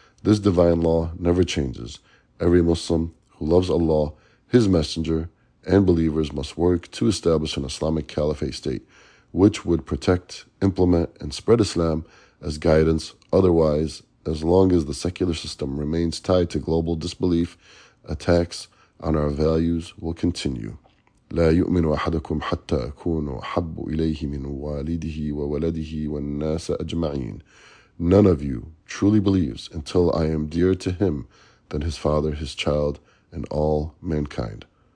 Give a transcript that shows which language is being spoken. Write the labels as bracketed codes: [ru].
[en] This divine law never changes. Every Muslim who loves Allah, his messenger, and believers must work to establish an Islamic caliphate state, which would protect, implement, and spread Islam as guidance. Otherwise, as long as the secular system remains tied to global disbelief, attacks on our values will continue. [ar] لا يؤمن أحدكم حتى أكون أحب إليه من والده وولده والناس أجمعين. [en] None of you truly believes until I am dear to him than his father, his child, and all mankind.